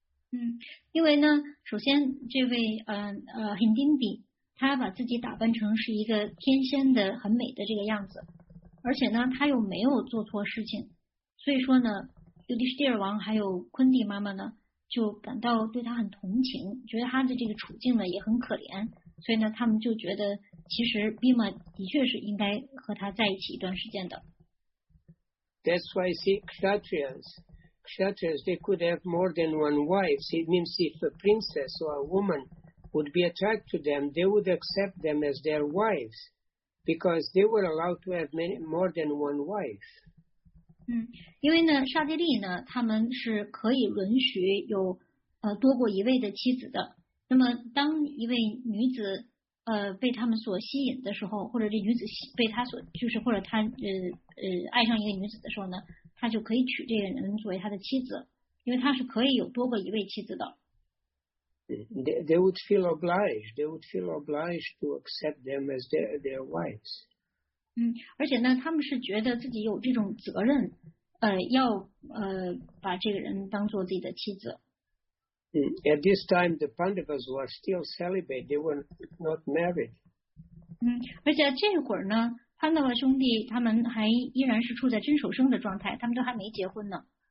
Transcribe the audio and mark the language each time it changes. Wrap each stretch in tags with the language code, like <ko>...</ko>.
<zh>嗯，因为呢，首先这位恒丁比，他把自己打扮成是一个天仙的很美的这个样子，而且呢，他又没有做错事情，所以说呢，尤迪士蒂尔王还有昆蒂妈妈呢，就感到对他很同情，觉得他的这个处境呢也很可怜，所以呢，他们就觉得其实比玛的确是应该和他在一起一段时间的。</zh> <en>That's why Kshatriyas, they could have more than one wife. It means if a princess or a woman would be attracted to them, they would accept them as their wives because they were allowed to have more than one wife.</en> <zh>嗯，因为呢，刹帝利呢，他们是可以允许有多过一位的妻子的。那么，当一位女子被他们所吸引的时候，或者这女子被他所就是或者他爱上一个女子的时候呢？他就可以娶这个人作为他的妻子，因为他是可以有多过一位妻子的。</zh> <en>They would feel obliged. They would feel obliged to accept them as their wives.</en> <zh>嗯，而且呢，他们是觉得自己有这种责任，要把这个人当做自己的妻子。</zh> <en>At this time, the Pandavas were still celibate. They were not married.</en> <zh>嗯，而且这会儿呢。潘多拉兄弟他们还依然是处在真守生的状态，他们都还没结婚呢。</zh>